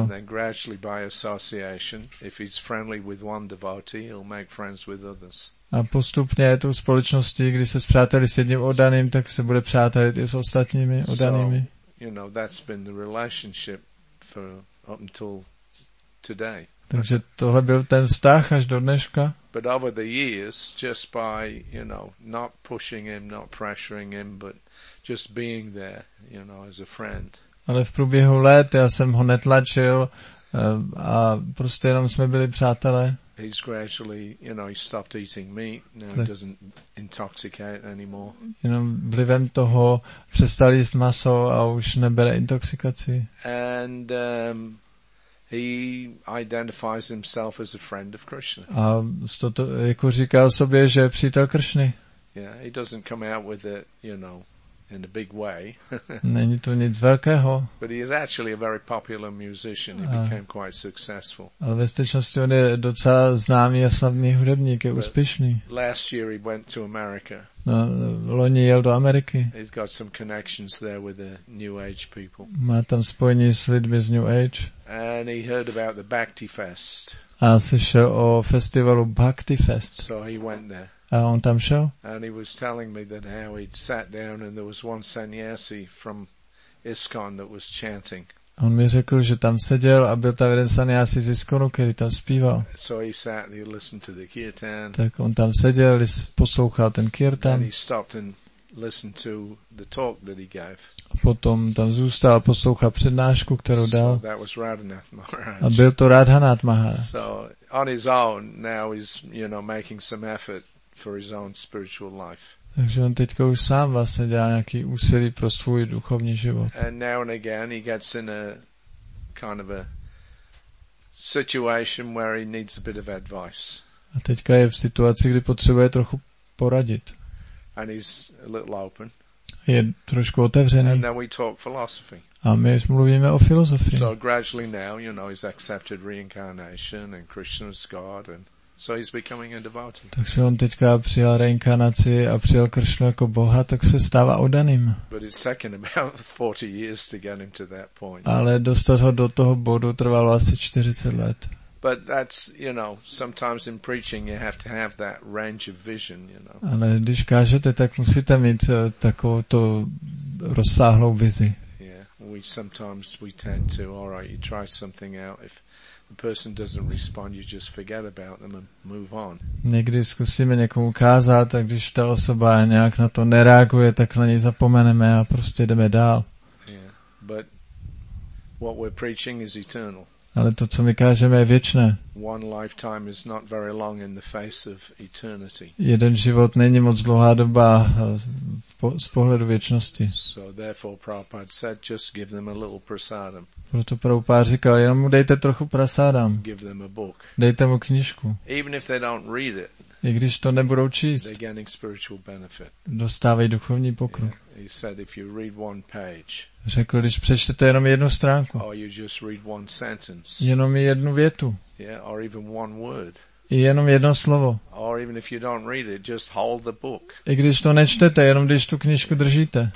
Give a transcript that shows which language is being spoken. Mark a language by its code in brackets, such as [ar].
[en] And then gradually by association, if he's friendly with one devotee, he'll make friends with others. [cs] A postupně tou společností, když se spřáteli s jedním oddaným, tak se bude přátelit i s ostatními oddanými. [en] So, you know, that's been the relationship for up until today. [cs] Takže tohle byl ten vztah až do dneška. [en] But over the years, just by, you know, not pushing him, not pressuring him, but just being there, you know, as a friend. [cs] Ale v průběhu let já jsem ho netlačil a prostě jenom jsme byli přátelé. [en] He's gradually, you know, he stopped eating meat, now he doesn't intoxicate anymore. [cs] Jenom vlivem toho přestal jíst maso a už nebere intoxikaci. [en] And he identifies himself as a friend of Krishna. [cs] A toto, jako říká o sobě, že je přítel Kršny. [en] Yeah, he doesn't come out with it, you know, in a big way. [cs] Není to nic velkého. [en] But he is actually a very popular musician. He became quite successful. [cs] Ale ve skutečnosti on je docela známý a slavný hudebník, je úspěšný. [en] Last year he went to America. [cs] No, loni jel do Ameriky. [en] He's got some connections there with the New Age people. [cs] Má tam spojení s lidmi z New Age. [en] And he heard about the Bhakti Fest. [cs] A slyšel o festivalu Bhakti Fest. [en] So he went there. [cs] A on tam šel. [en] And he was telling me that how he sat down and there was one sannyasi from ISKCON that was chanting. [cs] On mi řekl, že tam seděl a byl tam jeden sannyasi z ISKCONu, který tam zpíval. [en] So he sat and he listened to the kirtan. [cs] Tak on tam seděl, poslouchal ten kirtan. [en] And he stopped and listened to the talk that he gave. [cs] A potom tam zůstal a poslouchal přednášku, kterou dal. [en] So that was Radhanath Maharaj. [cs] A byl to Radhanath Maharaj. [en] So on his own now he's, you know, making some effort for his own spiritual life. [cs] Takže on teďka už sám vlastně dělá nějaký úsilí pro svůj duchovní život. [en] And now and again he gets in a kind of a situation where he needs a bit of advice. [cs] A teďka je v situaci, kdy potřebuje trochu poradit. [en] And he's a little open. [cs] Je trošku otevřený. [en] And then we talk philosophy. [cs] A my mluvíme o filozofii. [en] So gradually now, you know, he's accepted reincarnation and Krishna's God and so he's becoming a devotee. [cs] Takže on teďka přijal reinkarnaci a přijal Krishna jako Boha, tak se stává oddaným. [en] But it's taken about 40 years to get him to that point. [cs] Ale dostat ho do toho bodu trvalo asi 40 let. [en] But that's, you know, sometimes in preaching you have to have that range of vision, you know. [cs] Ale když kážete, tak musíte mít takovou to rozsáhlou vizi. [en] Yeah, we sometimes we tend to, all right, you try something out if the person doesn't respond, you just forget about them and move on. [cs] Někdy zkusíme někomu kázat, a když ta osoba nějak na to nereaguje, tak na něj zapomeneme a prostě jdeme dál. [en] Yeah, but what we're preaching is eternal. [cs] Ale to, co my kážeme, je věčné. [en] One lifetime is not very long in the face of eternity. [cs] Jeden život není moc dlouhá doba z pohledu věčnosti. [en] So therefore Prabhupada said, just give them a little prasadam. [cs] Proto Prabhupada říkal, jenom mu dejte trochu prasádám. [en] Give them a book. [cs] Dejte mu knížku. [en] Even if they don't read it, [cs] i když to nebudou číst, [en] they're getting spiritual benefit. [cs] Dostávají duchovní pokrok. [en] Yeah. He said, if you read one page, [cs] řekl, když přečtete jenom jednu stránku, [en] or you just read one sentence, [cs] jenom jednu větu, [en] yeah, or even one word, [cs] jenom jedno slovo, [en] or even if you don't read it, just hold the book. [cs] I když to nečtete, jenom když tu knížku držíte,